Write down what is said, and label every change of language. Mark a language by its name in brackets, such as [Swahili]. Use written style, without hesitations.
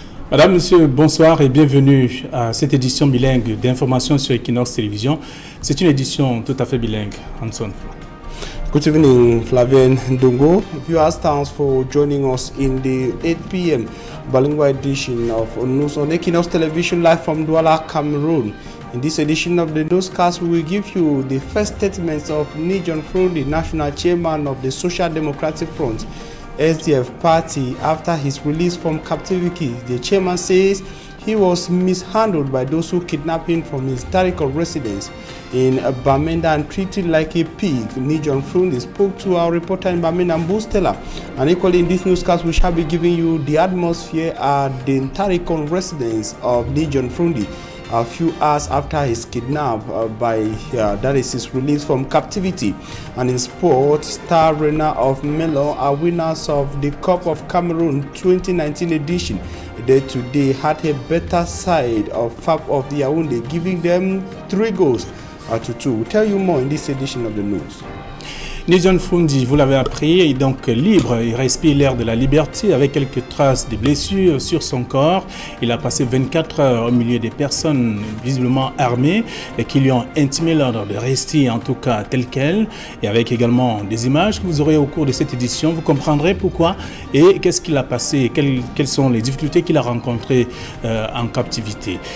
[French] Madame, Monsieur, bonsoir et bienvenue à cette édition bilingue d'information sur Equinox Télévision. C'est une édition tout à fait bilingue, Hanson. [English] Good evening, Flavien Ndongo. Viewers, thanks for joining us in the 8 p.m. bilingual edition of News on Equinox Television live from Douala, Cameroon. In this edition of the newscast, we will give you the first statements of Nijon Frode, the national chairman of the Social Democratic Front, SDF party. After his release from captivity, the chairman says he was mishandled by those who kidnapped him from his historical residence in Bamenda and treated like a pig. Nijon Frode spoke to our reporter in Bamenda, Bustela. And equally in this newscast, we shall be giving you the atmosphere at the historical residence of Nijon Frode a few hours after his kidnap his release from captivity. And in sports, star runner of Melo are winners of the Cup of Cameroon 2019 edition. They today had a better side of Fab of Yaoundé, giving them 3-2. We'll tell you more in this edition of the news. [French] Nijon Frode, vous l'avez appris, est donc libre, il respire l'air de la liberté avec quelques traces de blessures sur son corps. Il a passé 24 heures au milieu des personnes visiblement armées et qui lui ont intimé l'ordre de rester en tout cas tel quel. Et avec également des images que vous aurez au cours de cette édition, vous comprendrez pourquoi et qu'est-ce qu'il a passé, quelles sont les difficultés qu'il a rencontrées en captivité.